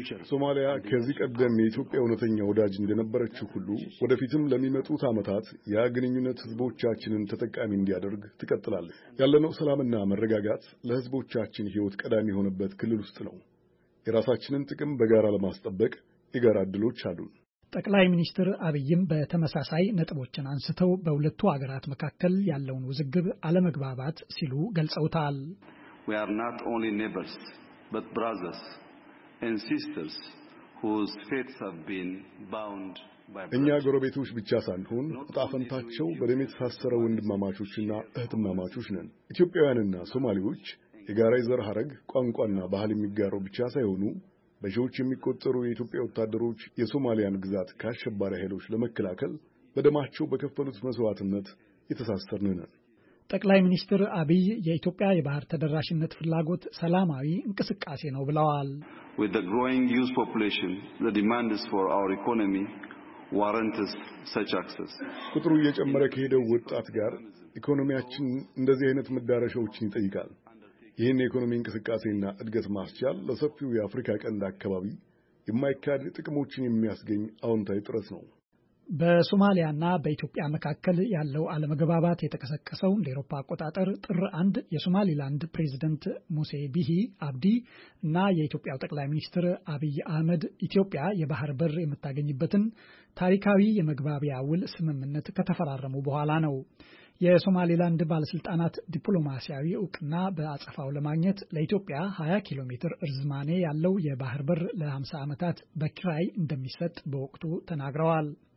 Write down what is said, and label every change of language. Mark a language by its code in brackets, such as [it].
[am] ሶማሊያ ከዚህ ቀደም የኢትዮጵያ ወነተኛ ወዳጅ እንደነበረችው ሁሉ ወደፊትም ለሚመጡት አመታት ያግንኙነት ህዝቦቻችንን ተጠቃሚ እንዲያደርግ ትቀጥላለች። ያለነው ሰላምና መረጋጋት ለህዝቦቻችን ህይወት ቀዳሚ የሆነበት ክልል ውስጥ ነው። የራሳችንን ጥቅም በጋራ ለማስጠበቅ የጋራ ድሎች አሉ። ጠቅላይ ሚኒስትር አብይም በተመሳሳይ ነጥቦችን አንስተው በሁለቱ አገራት መካከል ያለውን ውዝግብ አለመግባባት ሲሉ ገልጸውታል። [en] We are not only neighbors but brothers and sisters whose fates have been bound by [am] እኛ ጎረቤቶች ብቻ ሳንሆን ጣፈንታቸው በደም የተሳሰረ ወንድማማቾችና እህትማማቾች ነን። ኢትዮጵያውያንና ሶማሌዎች የጋራ የዘር ሐረግ ቋንቋና ባህል የሚጋሩ ብቻ ሳይሆኑ በሺዎች የሚቆጠሩ የኢትዮጵያ ወታደሮች የሶማሊያን ግዛት ከአሸባሪ ኃይሎች ለመከላከል በደማቸው በከፈሉት መስዋዕትነት የተሳሰርን ነን። ጠቅላይ ሚኒስትር አብይ የኢትዮጵያ የባህር ተደራሽነት ፍላጎት ሰላማዊ እንቅስቃሴ ነው ብለዋል። [en] With the growing youth population, the demands for our economy warrant such access. [am] ቁጥሩ እየጨመረ ከሄደው ወጣት ጋር ኢኮኖሚያችን እንደዚህ አይነት መዳረሻዎችን ይጠይቃል። ይህን የኢኮኖሚ እንቅስቃሴና እድገት ማስቻል ለሰፊው የአፍሪካ ቀንድ አካባቢ የማይካድ ጥቅሞችን የሚያስገኝ አዎንታዊ ጥረት ነው። በሶማሊያና በኢትዮጵያ መካከል ያለው አለመግባባት የተከሰከሰው እንደ አውሮፓ አቆጣጠር ጥር 1 የሶማሊላንድ ፕሬዝዳንት ሙሴ ቢሂ አብዲ እና የኢትዮጵያው ጠቅላይ ሚኒስትር አብይ አህመድ ኢትዮጵያ የባህር በር የምታገኝበትን ታሪካዊ የመግባቢያ ውል ስምምነት ከተፈራረሙ በኋላ ነው። የሶማሊላንድ ባለስልጣናት ዲፕሎማሲያዊ ዕውቅና በአጸፋው ለማግኘት ለኢትዮጵያ 20 ኪሎ ሜትር ርዝማኔ ያለው የባህር በር ለ50 ዓመታት በክራይ እንደሚሰጥ በወቅቱ ተናግረዋል።